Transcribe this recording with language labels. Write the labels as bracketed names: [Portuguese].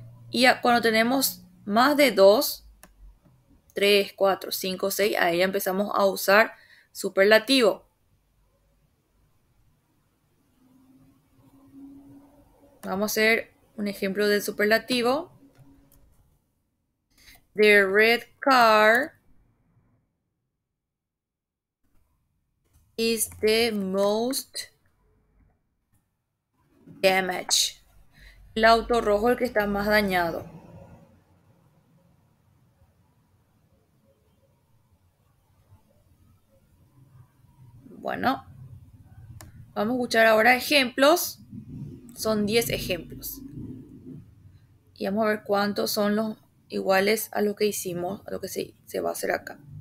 [Spanish] Y cuando tenemos más de dos, tres, cuatro, cinco, seis, ahí ya empezamos a usar superlativo. Vamos a hacer un ejemplo del superlativo. [English] The red car is the most damaged. [Spanish] El auto rojo es el que está más dañado. Bueno, vamos a escuchar ahora ejemplos. Son 10 ejemplos. Y vamos a ver cuántos son los iguales a lo que hicimos, a lo que se va a hacer acá.